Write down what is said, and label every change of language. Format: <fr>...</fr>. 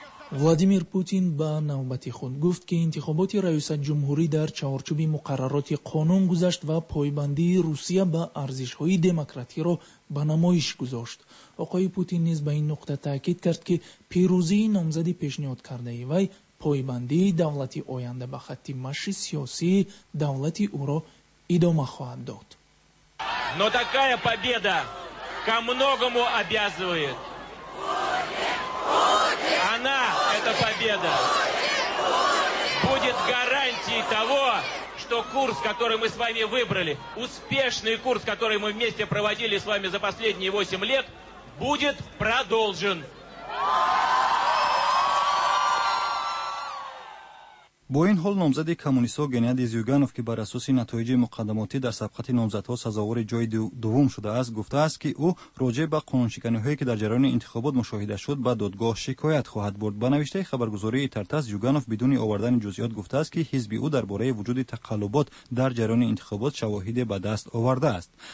<tg>Владимир Путин ба навбати худ гуфт, ки интихоботи раисат ҷумҳурӣ дар чаҳорчуби муқаррароти қонун гузашт ва пойбандии Русия ба арзишҳои демократиро ба намоиш гузошт. Оқои Путин низ ба ин нуқта таъкид кард, ки пирӯзии номзади пешниҳод кардаи вай пойбандии давлати оянда ба хатти маши сиёсии давлати ӯро идома хоҳад дод.</tg> <ru>Но такая победа ко многому обязывает. Она, эта победа, будет гарантией того, что курс, который мы с вами выбрали, успешный курс, который мы вместе проводили с вами за последние 8 лет, будет продолжен.</ru> <tg>Бо ин ҳол номзади коммунистҳо Геннадий Зюганов, ки бар асоси натоиҷи муқаддамотӣ дар сабқати номзадҳо сазовори ҷои дуввум шудааст, гуфтааст, ки ӯ роҷеъ ба қонуншиканиҳое, ки дар ҷараёни интихобот мушоҳида шуд, ба додгоҳ шикоят хоҳад бурд. Ба навиштаи хабаргузории Тартас, Зюганов бидуни овардани ҷузъиёт гуфтааст, ки ҳизби ӯ дар бораи вуҷуди тақаллубот дар ҷараёни интихобот шавоҳиде ба даст овардааст.</tg>